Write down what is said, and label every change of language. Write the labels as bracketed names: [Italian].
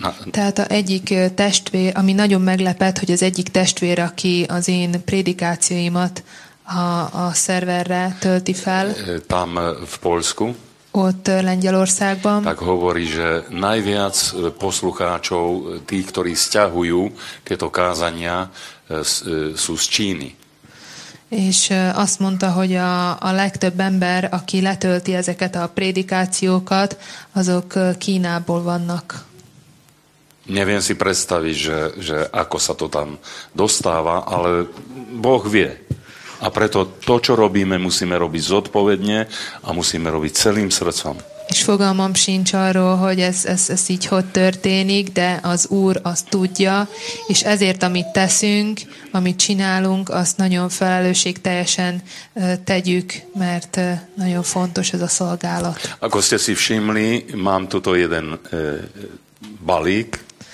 [Hungarian] Tehát az egyik testvér, ami nagyon meglepett, hogy az egyik testvér, aki az én prédikációimat a szerverre tölti fel. [Slovak] Tam v Polsku. [Hungarian] Ott Lengyelországban. [Slovak] Tak hovorí, že najviac poslucháčov, tí, ktorí sťahujú tieto kázania, sú z Číny. [Hungarian] És azt mondta, hogy a legtöbb ember, aki letölti ezeket a prédikációkat, azok Kínából vannak. [Slovak] Neviem si predstaviť, že ako sa to tam dostáva, ale Boh vie. A preto to, čo robíme, musíme robiť zodpovedne a musíme robiť celým srdcom. [Hungarian] És fogalmam sincs arról, hogy ez így hogy történik, de az Úr azt tudja, és ezért, amit teszünk, amit csinálunk, azt nagyon felelősségteljesen tegyük, mert nagyon fontos ez a szolgálat. [Slovak] Ako ste si všimli, mám tuto jeden balík.